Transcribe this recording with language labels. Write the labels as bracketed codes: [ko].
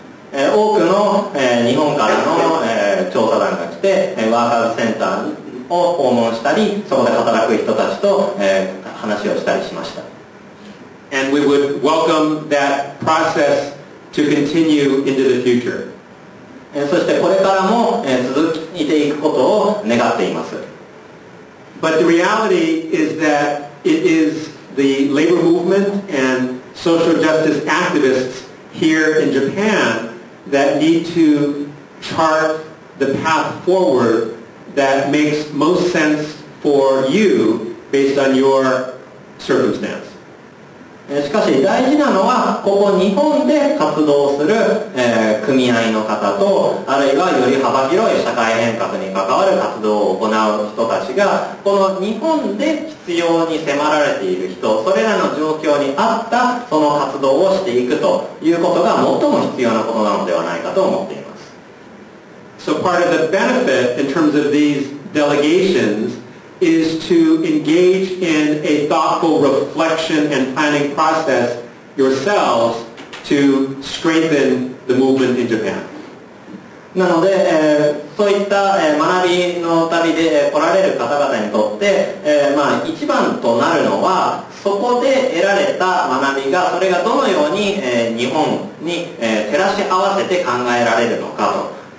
[ja] 多くの日本からの調査団が来てワーカーズセンターを訪問したりそこで働く人たちと話をしたりしました。 [en] And we would welcome that process to continue into the future. [ja] そしてこれからも続いていくことを願っています。 [en] But the reality is that it is the labor movement and social justice activistsHere in Japan, that need to chart the path forward that makes most sense for you based on your circumstance. [ja] しかし大事なのはここ日本で活動する、組合の方とあるいはより幅広い社会変革に関わる活動を行う人たちがこの日本で必要に迫られている人それらの状況に合ったその活動をしていくということが最も必要なことなのではないかと思っています。 [en] So part of the benefit in terms of these delegationsis to engage in a thoughtful reflection and planning process yourselves to strengthen the movement in Japan. [ja] なので、そういった、学びの旅で来られる方々にとって、まあ、一番となるのはそこで得られた学びがそれがどのように、日本に、照らし合わせて考えられるのかと。